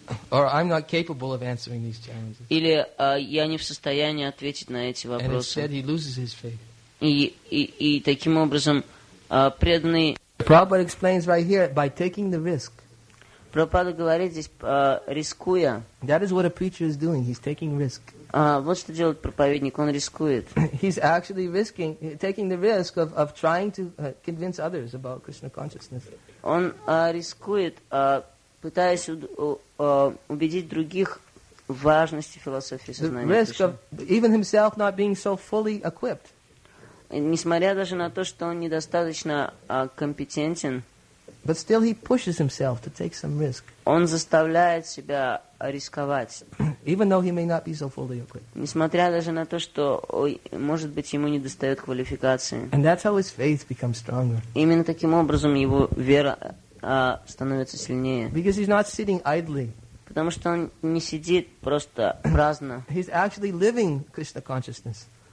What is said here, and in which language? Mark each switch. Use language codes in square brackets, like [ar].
[en] Or I'm not capable of answering these challenges. [ru] Или я не в состоянии ответить на эти вопросы. [en] And instead he loses his faith. [ru] И таким образом преданный. [en] Prabhupada explains right here by taking the risk. [ru] Прабхупада говорит здесь, рискуя. [en] That is what a preacher is doing. He's taking risk. [ru] Вот что делает проповедник, он рискует. [en] He's actually risking, taking the risk of trying to convince others about Krishna consciousness. [ru] Он рискует, пытаясь убедить других в важности философии сознания [en] Кришны. The risk of even himself not being so fully equipped. [ru] Несмотря даже на то, что он недостаточно компетентен, [en] but still he pushes himself to take some risk. [ru] Он заставляет себя рисковать. [en] Even though he may not be so fully equipped. [ru] Несмотря даже на то, что, может быть, ему недостает квалификации. [en] And that's how his faith becomes stronger. [ru] Именно таким образом его вера становится сильнее. [en] Because he's not sitting idly. [ru] Потому что он не сидит просто праздно. [en] He's actually living Krishna consciousness.